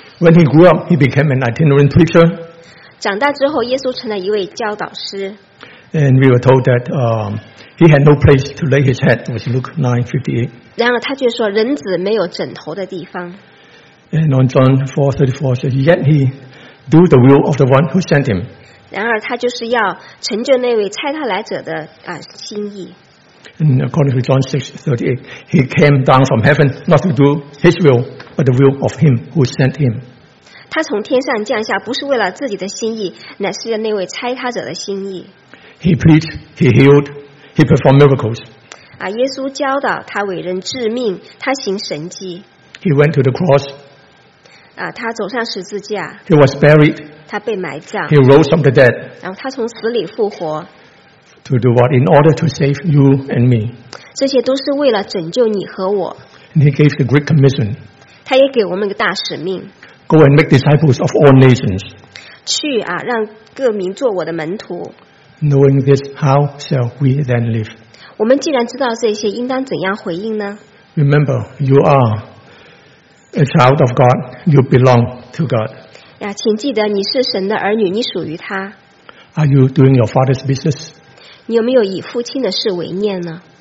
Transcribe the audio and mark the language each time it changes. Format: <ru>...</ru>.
<en>When he grew up, he became an itinerant preacher.</en> <zh>长大之后，耶稣成了一位教导师。</zh> <en>And we were told that he had no place to lay his head, which is Luke 9:58.</en> <zh>然而他却说，人子没有枕头的地方。</zh> <en>And on John 4:34 says, "Yet he do the will of the one who sent him."</en> <zh>然而他就是要成就那位差他来者的心意。</zh> <en>And according to John 6:38, he came down from heaven not to do his will, but the will of him who sent him.</en> <zh>他从天上降下，不是为了自己的心意，乃是那位差他者的心意。</zh> <en>He preached, he healed, he performed miracles.</en> <zh>耶稣教导他为人治命，他行神迹。</zh> <en>He went to the cross.</en> <zh>他走上十字架。</zh> <en>He was buried.</en> <zh>他被埋葬。</zh> <en>He rose from the dead.</en> <zh>然后他从死里复活。</zh> <en>To do what? In order to save you and me.</en> <zh>这些都是为了拯救你和我。</zh> <en>And he gave the great commission.</en> <zh>他也给我们一个大使命。</zh> <en>Go and make disciples of all nations.</en> <zh>去让各民做我的门徒。</zh> <en>Knowing this, how shall we then live?</en> <zh>我们既然知道这些，应当怎样回应呢？</zh> <en>Remember, you are. A child of God, you belong to God.</en> <zh>请记得你是神的儿女，你属于他。</zh> <en>Are you doing your father's business?</en> <zh>你有没有以父亲的事为念呢？</zh>